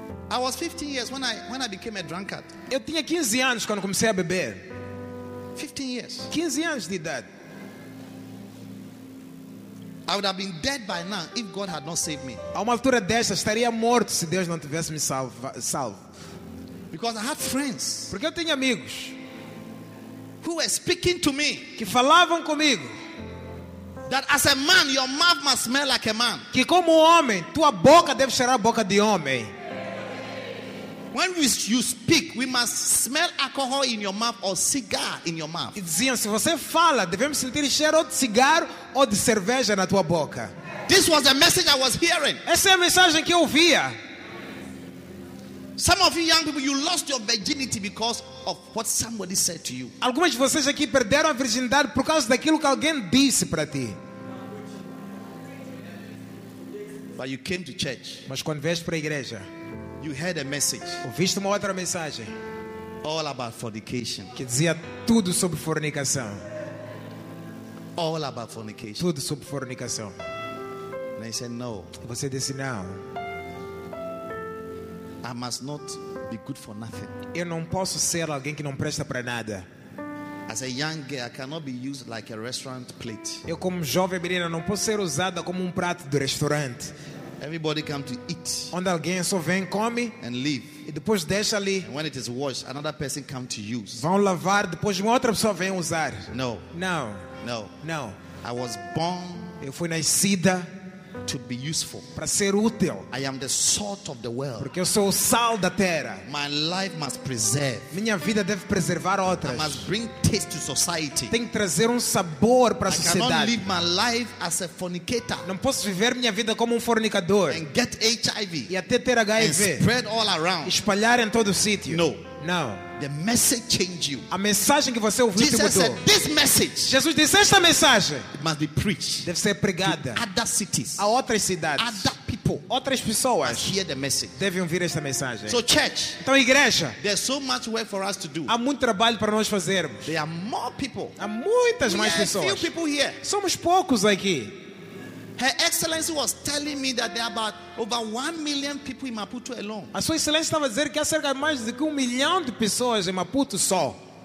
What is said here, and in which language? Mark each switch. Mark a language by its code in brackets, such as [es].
[en] I was 15 years when I became a drunkard. [pt] Eu tinha 15 anos quando comecei a beber. [en] 15 years. [pt] 15 anos de idade. [en] I would have been dead by now if God had not saved me. [pt] A uma altura dessa estaria morto se Deus não tivesse me salvo. [en] Because I had friends. [pt] Porque eu tinha amigos. [en] Who were speaking to me? [pt] Que falavam comigo. [en] That as a man your mouth must smell like a man. [pt] Que como homem tua boca deve cheirar a boca de homem. [en] When you speak, we must smell alcohol in your mouth or cigar in your mouth. [pt] Diziam, se você fala, devemos sentir cheiro de cigarro ou de cerveja na tua boca. [en] This was the message I was hearing. [pt] Essa é a mensagem que eu ouvia. [en] Some of you young people, you lost your virginity because of what somebody said to you. [pt] Algumas de vocês aqui perderam a virgindade por causa daquilo que alguém disse para ti. [en] But you came to church. [pt] Mas quando vieste para a igreja. [en] You heard a message. [pt] Ouviste uma outra mensagem. [en] All about fornication. [pt] Que dizia tudo sobre fornicação. [en] All about fornication. [pt] Tudo sobre fornicação. [en] And I said no. [pt] Você disse não. [en] I must not be good for nothing. [pt] Eu não posso ser alguém que não presta para nada. [en] As a young girl, I cannot be used like a restaurant plate. [pt] Eu como jovem menina não posso ser usada como prato de restaurante. [en] Everybody come to eat. [pt] Onde alguém só vem, come. [en] And leave. [pt] E depois deixa ali. [en] And when it is washed, another person come to use. [pt] Vão lavar, depois uma outra pessoa vem usar. [en] No. No. No. No. I was born. [pt] Eu fui nascida. [en] To be useful. [pt] Para ser útil. [en] I am the salt of the world. [pt] Porque eu sou o sal da terra. [en] My life must preserve. [pt] Minha vida deve preservar outras. [en] I must bring taste to society. [pt] Tenho que trazer sabor para a sociedade. [en] I cannot live my life as a fornicator. [pt] Não posso viver minha vida como fornicador. [en] And get HIV. [pt] E até ter HIV. [en] And spread all around. [pt] Espalhar em todo o sítio. [en] No. [pt] Não. [en] The message changed you. [pt] A mensagem que você ouviu Jesus te mudou. [en] Said, this message, [pt] Jesus disse esta mensagem. [en] It must be preached. [pt] Deve ser pregada. [en] To other cities, [pt] a outras cidades. [en] Other people, [pt] outras pessoas. [en] Must hear the message. [pt] Devem ouvir esta mensagem. [en] So church, [pt] então igreja. [en] There's so much work for us to do. [pt] Há muito trabalho para nós fazermos. [en] There are more people. [pt] Há muitas [en] we [pt] mais pessoas. [en] Few people here. [pt] Somos poucos aqui. [en] Her Excellency was telling me that there are about over 1 million people in Maputo alone. [pt] A sua excelência estava dizendo que há cerca de mais de 1 milhão de pessoas em Maputo só.